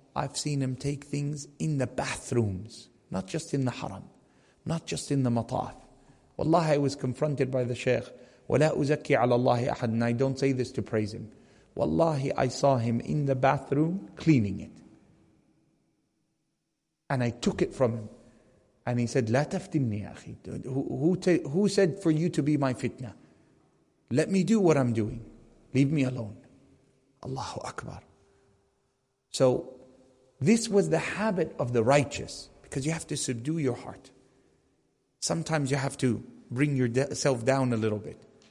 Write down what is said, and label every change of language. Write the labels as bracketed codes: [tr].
[en] I've seen him take things in the bathrooms, not just in the haram, not just in the mataf. Wallahi, I was confronted by the Sheikh. [ar] وَلَا أُزَكِّي عَلَى اللَّهِ أَحَدٍ. [en] I don't say this to praise him. Wallahi, I saw him in the bathroom cleaning it. And I took it from him. [ar] And he said, لا تفتني يا أخي. [en] Who said for you to be my fitna? Let me do what I'm doing. Leave me alone. Allahu Akbar. So this was the habit of the righteous, because you have to subdue your heart. Sometimes you have to bring yourself down a little bit.